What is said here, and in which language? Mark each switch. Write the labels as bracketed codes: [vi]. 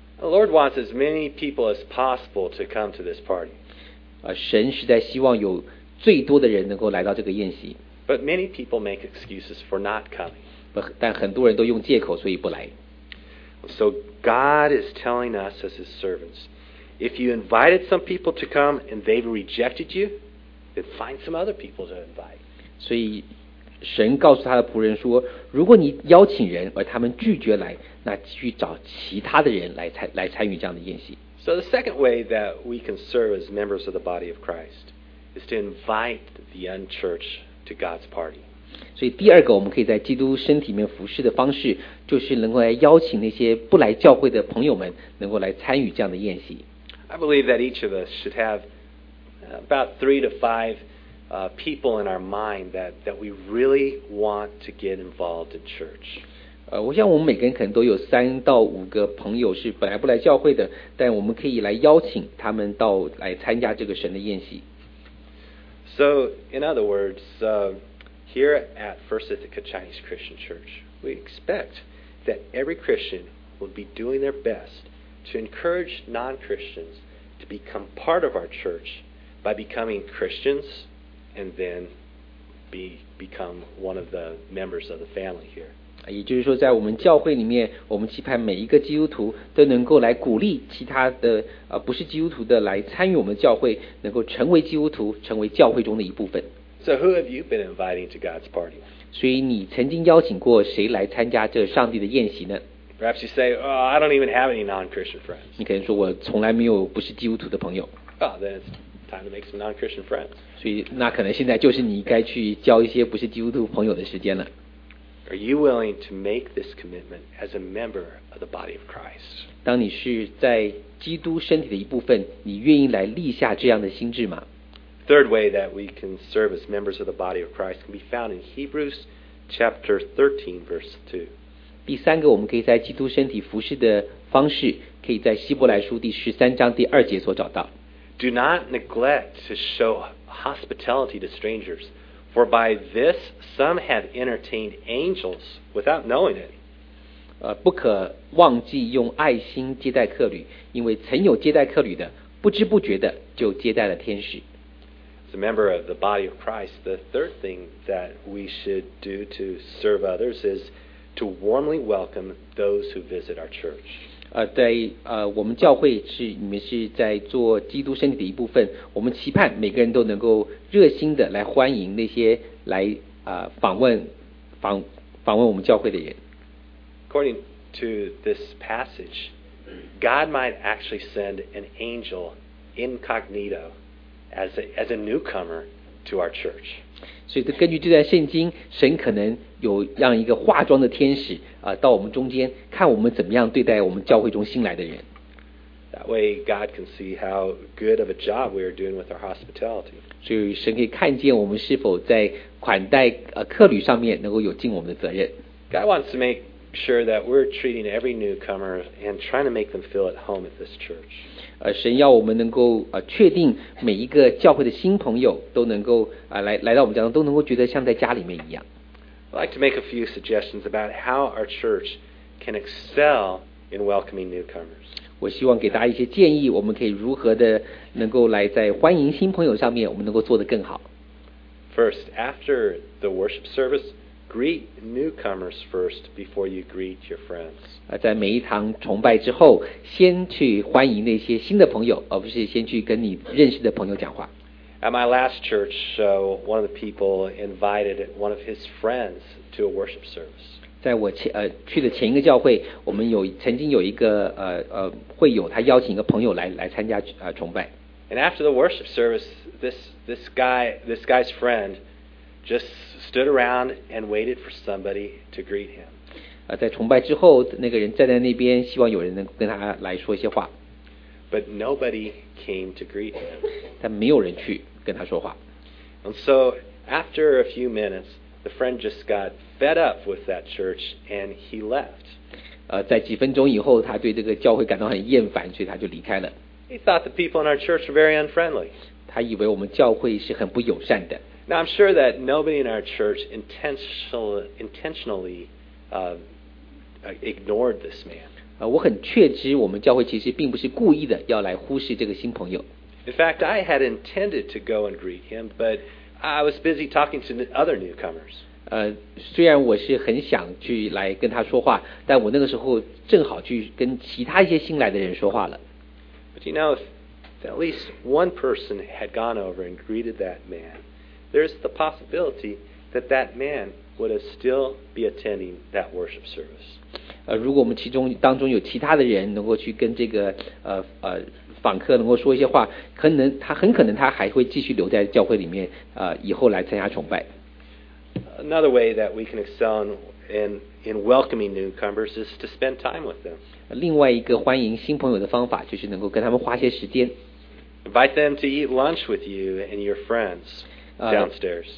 [en] The Lord wants as many people as possible to come to this party. [zh] 神实在希望有最多的人能够来到这个宴席。 [en] But many people make excuses for not coming. [zh] 但很多人都用借口所以不来。 [en] So God is telling us as his servants, if you invited some people to come and they've rejected you, then find some other people to invite. [zh] 所以神告诉他的仆人说，如果你邀请人而他们拒绝来，那去找其他的人来参与这样的宴席。 [en] So the second way that we can serve as members of the body of Christ is to invite the unchurched to God's party. [zh] 所以第二个我们可以在基督身体里面服事的方式，就是能够来邀请那些不来教会的朋友们能够来参与这样的宴席。 [en] I believe that each of us should have about 3 to 5people in our mind that we really want to get involved in church. [zh] 我想我们每个人可能都有3到5个朋友是本来不来教会的，但我们可以来邀请他们到来参加这个神的宴席。 [en] So, in other words, here at First Ithaca Chinese Christian Church, we expect that every Christian will be doing their best to encourage non-Christians to become part of our church by becoming Christians and then become one of the members of the family here. [zh] 也就是说在我们教会里面，我们期盼每一个基督徒都能够来鼓励其他的不是基督徒的来参与我们教会，能够成为基督徒，成为教会中的一部分。 [en] So who have you been inviting to God's party? [zh] 所以你曾经邀请过谁来参加这上帝的宴席呢？ [en] Perhaps you say, oh, I don't even have any non-Christian friends. [zh] 你可能说我从来没有不是基督徒的朋友。 [en] Oh, then it's time to make some non-Christian friends. [zh] 所以那可能现在就是你该去交一些不是基督徒朋友的时间了。 [en] Are you willing to make this commitment as a member of the body of Christ? [zh] 当你是在基督身体的一部分，你愿意来立下这样的心志吗？ [en] Third way that we can serve as members of the body of Christ can be found in Hebrews chapter 13, verse 2. [zh] 第三个我们可以在基督身体服事的方式，可以在希伯来书第13:2所找到。 [en] Do not neglect to show hospitality to strangers. For by this some have entertained angels without knowing it. [zh] 不可忘记用爱心接待客旅，因为曾有接待客旅的，不知不觉的就接待了天使。 [en] As a member of the body of Christ, the third thing that we should do to serve others is to warmly welcome those who visit our church. [zh] 在我们教会是你们是在做基督身体的一部分，我们期盼每个人都能够热心的来欢迎那些来访问我们教会的人。 [en] According to this passage, God might actually send an angel incognito as a newcomer to our church. [zh] 所以根据这段圣经，神可能有让一个化妆的天使到我们中间，看我们怎么样对待我们教会中新来的人。 [en] That way, God can see how good of a job we are doing with our hospitality. [zh] 所以神可以看见我们是否在款待客旅上面能够有尽我们的责任。 [en] God wants to make sure that we're treating every newcomer and trying to make them feel at home at this church. [zh] 神要我们能够确定每一个教会的新朋友都能够来到我们家中都能够觉得像在家里面一样。 [en] I'd like to make a few suggestions about how our church can excel in welcoming newcomers. [zh] 我希望给大家一些建议，我们可以如何的能够来在欢迎新朋友上面，我们能够做得更好。 [en] First, after the worship service, greet newcomers first before you greet your friends. [zh] 在每一堂崇拜之后，先去欢迎那些新的朋友，而不是先去跟你认识的朋友讲话。 [en] At my last church, one of the people invited one of his friends to a worship service. [zh] 在我去的前一个教会，我们曾经有一个会友，他邀请一个朋友来参加崇拜。 [en] And after the worship service, this guy's friend just stood around and waited for somebody to greet him. [zh] 在崇拜之后，那个人站在那边，希望有人能跟他来说一些话。 [en] But nobody came to greet him. [zh] 但没有人去跟他说话。 [en] And so after a few minutes, the friend just got fed up with that church and he left. [zh] 在几分钟以后，他对这个教会感到很厌烦，所以他就离开了。 [en] He thought the people in our church were very unfriendly. [zh] 他以为我们教会是很不友善的。 [en] Now I'm sure that nobody in our church intentionally ignored this man. [zh] 我很确知我们教会其实并不是故意的要来忽视这个新朋友。 [en] In fact, I had intended to go and greet him, but I was busy talking to other newcomers. [zh] 虽然我是很想去来跟他说话，但我那个时候正好去跟其他一些新来的人说话了。 [en] But you know, if at least one person had gone over and greeted that man, there's the possibility that that man would have still be attending that worship service. [zh] 如果我们其中当中有其他的人能够去跟这个访客能够说一些话，可能他很可能他还会继续留在教会里面，以后来参加崇拜。 [en] Another way that we can excel in welcoming newcomers is to spend time with them. [zh] 另外一个欢迎新朋友的方法就是能够跟他们花些时间。 [en] Invite them to eat lunch with you and your friends downstairs.